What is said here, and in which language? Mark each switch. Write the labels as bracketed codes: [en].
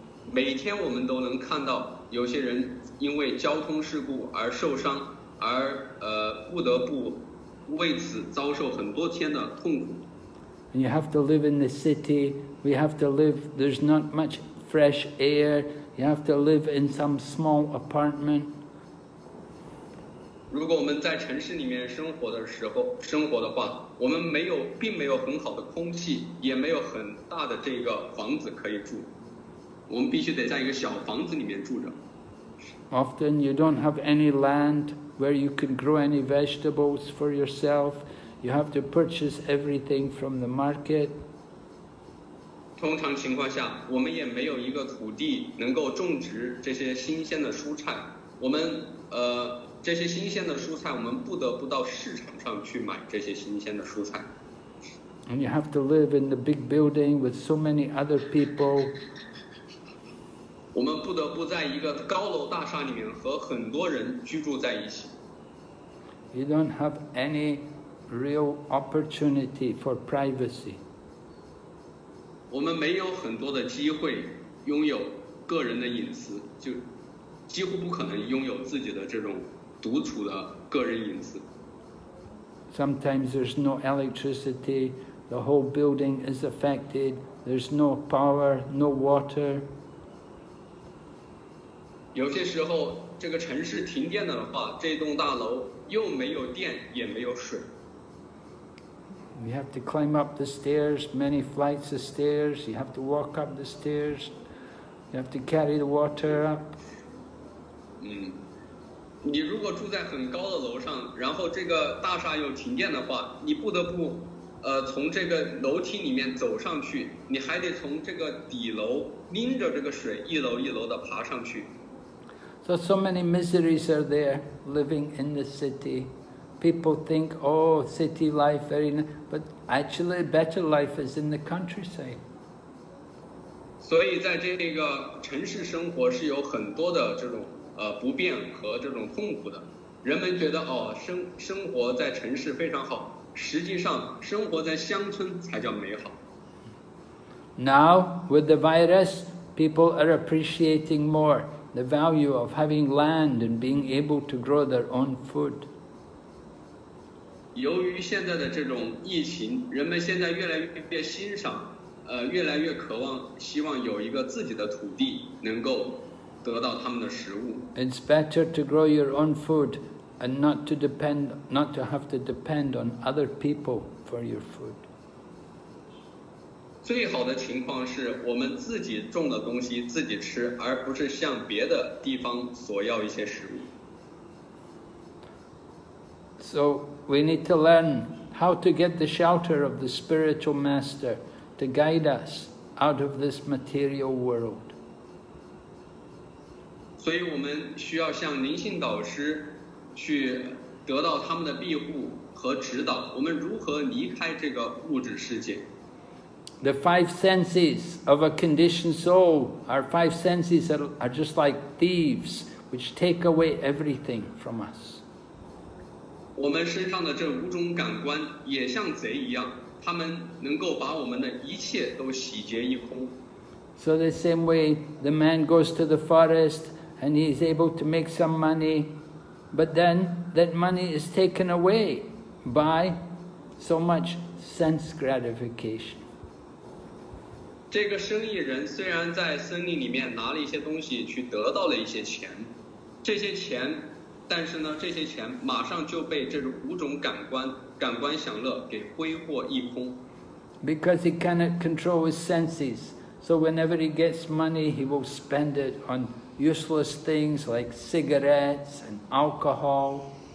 [zh] 每天我们都能看到有些人因为交通事故而受伤，而不得不为此遭受很多天的痛苦。 [en] And you have to live in the city. We have to live. There's not much fresh air. You have to live in some small apartment. [zh] 如果我们在城市里面生活的话，我们没有，并没有很好的空气，也没有很大的这个房子可以住。我们必须得在一个小房子里面住着。 [en] Often you don't have any land where you can grow any vegetables for yourself. You have to purchase everything from the market. [zh] 通常情况下，我们也没有一个土地能够种植这些新鲜的蔬菜。我们这些新鲜的蔬菜，我们不得不到市场上去买这些新鲜的蔬菜。 [en] And you have to live in the big building with so many other people. [zh] 我们不得不在一个高楼大厦里面和很多人居住在一起。 [en] You don't have any real opportunity for privacy. [zh] 我们没有很多的机会拥有个人的隐私，就几乎不可能拥有自己的这种独处的个人隐私。 [en] Sometimes there's no electricity, the whole building is affected, there's no power, no water. [zh] 有些时候这个城市停电的话，这栋大楼又没有电也没有水。 [en] We have to climb up the stairs, many flights of stairs, you have to walk up the stairs, you have to carry the water up. [zh] 你如果住在很高的楼上，然后这个大厦又停电的话，你不得不从这个楼梯里面走上去，你还得从这个底楼拎着这个水一楼一楼的爬上去。 [en] So many miseries are there living in the city. People think, oh, city life very nice, but actually a better life is in the countryside. [zh] 所以在这个城市生活是有很多的这种不便和这种痛苦的。人们觉得哦，生活在城市非常好，实际上生活在乡村才叫美好。 [en] Now with the virus, people are appreciating more the value of having land and being able to grow their own food. [zh] 由于现在的这种疫情，人们现在越来越欣赏，越来越渴望，希望有一个自己的土地，能够得到他们的食物。 [en] It's better to grow your own food and not to have to depend on other people for your food. [zh] 最好的情况是我们自己种的东西自己吃，而不是向别的地方索要一些食物。 [en] So we need to learn how to get the shelter of the spiritual master to guide us out of this material world. [zh] 所以我们需要向灵性导师去得到他们的庇护和指导，我们如何离开这个物质世界。 [en] The five senses of a conditioned soul are five senses that are just like thieves which take away everything from us. [zh] 我们身上的这五种感官也像贼一样，他们能够把我们的一切都洗劫一空。 [en] So the same way the man goes to the forest and he is able to make some money, but then that money is taken away by so much sense gratification. [zh] 这个生意人虽然在森林里面拿了一些东西去得到了一些钱，这些钱，但是呢，这些钱马上就被这五种感官享乐给挥霍一空。 [en] Because he cannot control his senses, so whenever he gets money, he will spend it on useless things like cigarettes and alcohol.